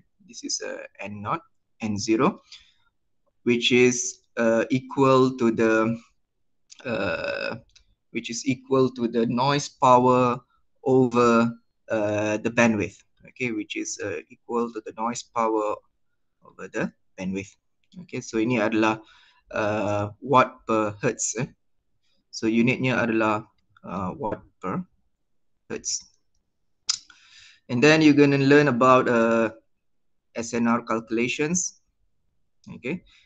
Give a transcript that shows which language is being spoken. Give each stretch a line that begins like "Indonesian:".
English: This is N0, N0, which is equal to the which is equal to the noise power over the bandwidth, okay, which is equal to the noise power over the bandwidth.
Malay: Okay, so ini adalah watt per hertz. So unitnya adalah watt per hertz.
English: And then you're going to learn about SNR calculations, okay.